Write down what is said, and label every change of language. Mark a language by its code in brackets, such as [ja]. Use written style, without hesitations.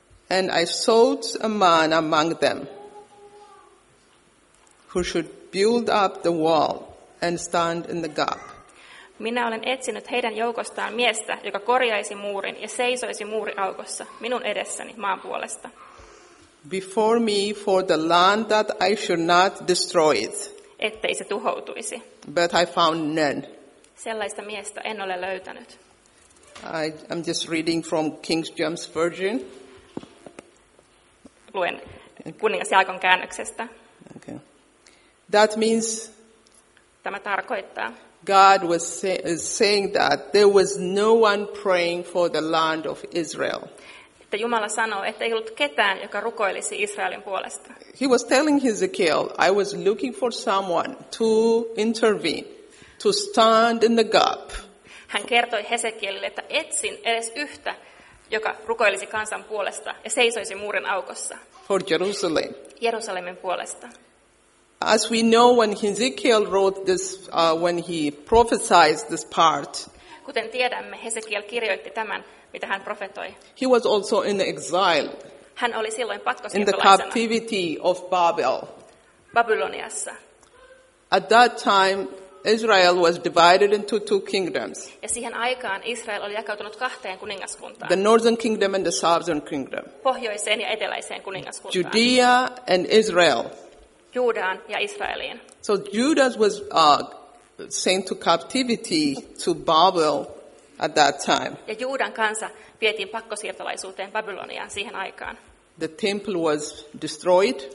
[en] And I sought a man among them who should build up the wall and stand in the gap. [fi] Minä olen etsinyt heidän joukostaan miestä, joka korjaisi muurin ja seisoisi muuriaukossa minun edessäni maan puolesta. [en] Before me for the land that I should not destroy it. [fi] Ettei se tuhoutuisi. [en] But I found none. [fi] Sellaista miestä en ole löytänyt. [en] I'm just reading from King James Version. [fi] Luen kuningas Jaakon käännöksestä. [en] Okay. That means [fi] tämä tarkoittaa [en] God was saying that there was no one praying for the land of Israel. [fi] Että Jumala sanoo, että ei ollut ketään, joka rukoilisi Israelin puolesta. [en] He was telling Hezekiel, I was looking for someone to intervene, to stand in the gap. [fi] Hän kertoi Hezekielille, että etsin edes yhtä, joka rukoilisi kansan puolesta ja seisoisi muurin aukossa. [en] For Jerusalem. [fi] Jerusalemin puolesta. [en] As we know, when Hezekiel wrote this, when he prophesied this part, [fi] kuten tiedämme, Hezekiel kirjoitti tämän, mitä hän profetoi. [en] He was also in exile. [fi] Hän oli silloin [en] in the captivity of Babel. [fi] Babyloniassa. [en] At that time, Israel was divided into two kingdoms. [fi] Ja siihen aikaan Israel oli jakautunut kahteen kuningaskuntaan. [en] The northern kingdom and the southern kingdom. [fi] Pohjoiseen ja eteläiseen kuningaskuntaan. [en] Judea and Israel. [fi] Juudaan ja Israeliin. [en] So Judas was sent to captivity to Babel at that time. [fi] Ja Juudan kansa vietiin pakkosiirtolaisuuteen Babyloniaan siihen aikaan. [en] The temple was destroyed.